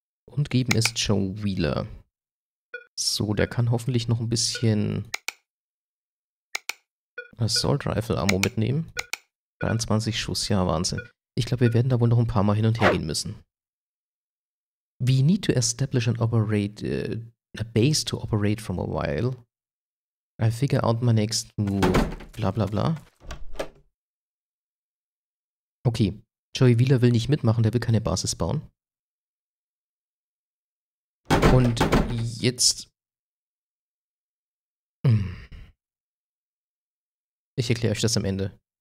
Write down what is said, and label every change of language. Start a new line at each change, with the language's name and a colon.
German: Und geben es Joe Wheeler. So, der kann hoffentlich noch ein bisschen Assault Rifle Ammo mitnehmen. 23 Schuss, ja Wahnsinn. Ich glaube, wir werden da wohl noch ein paar Mal hin und her gehen müssen.
English: We need to establish and operate a base to operate from a while. I figure out my next move. Bla bla bla.
German: Okay, Joey Wheeler will nicht mitmachen, der will keine Basis bauen. Und jetzt... Ich erkläre euch das am Ende.